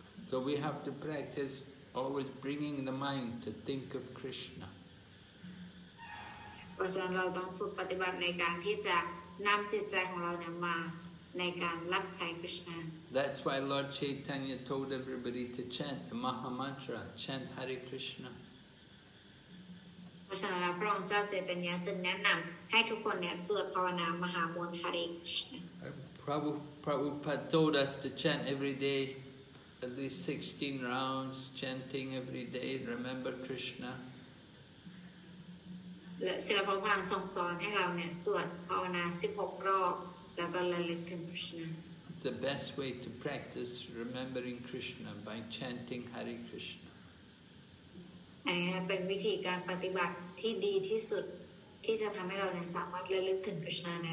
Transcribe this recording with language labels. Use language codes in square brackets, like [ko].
[en] So we have to practice always bringing the mind to think of Krishna. [th] เพราะฉะนั้นเราต้องฝึกปฏิบัติในการที่จะนำจิตใจของเราเนี่ยมาในการรับใช้ Krishna. [en] That's why Lord Chaitanya told everybody to chant the Maha Mantra, chant Hare Krishna. [th] เพราะฉะนั้นพระองค์เจ้าเจตัญญาจึงแนะนำให้ทุกคนเนี่ยสวดภาวนามหามนต์ Hare Krishna. [en] Prabhupada told us to chant every day. At least 16 rounds chanting every day remember Krishna [th] Srila Prabhupada ทรงสอนให้เราเนี่ยสวดภาวนา16รอบแล้วก็ระลึกถึง Krishna [en] It's the best way to practice remembering Krishna by chanting Hare Krishna [th] อันนี้เป็นวิธีการปฏิบัติที่ดีที่สุดที่จะทำให้เราเนี่ยสามารถระลึกถึง Krishna ได